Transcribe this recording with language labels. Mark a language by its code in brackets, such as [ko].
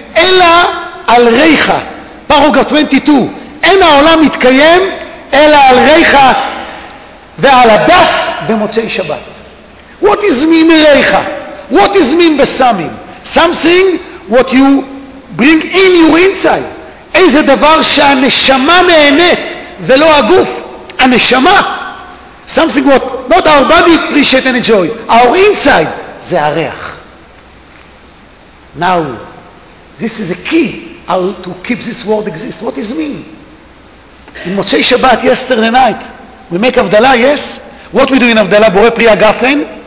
[he] אלא על ריחה. פרוגה 22. אין העולם מתקיים. אלא על ריחה. ועל הבס במוצאי שבת. [en] What is mean ריחה? What is mean בסמים? Something what you bring in your inside. [he] איזה דבר שהנשמה נהנית ולא הגוף. הנשמה. [en] Something what, not our body appreciate and enjoy. Our inside. [he] זה הריח. [en] Now, this is a key how to keep this world exist. What is mean? In מוצאי שבת, yesterday night, we make הבדלה, yes? What we do in הבדלה? [he] בורא פרי הגפן.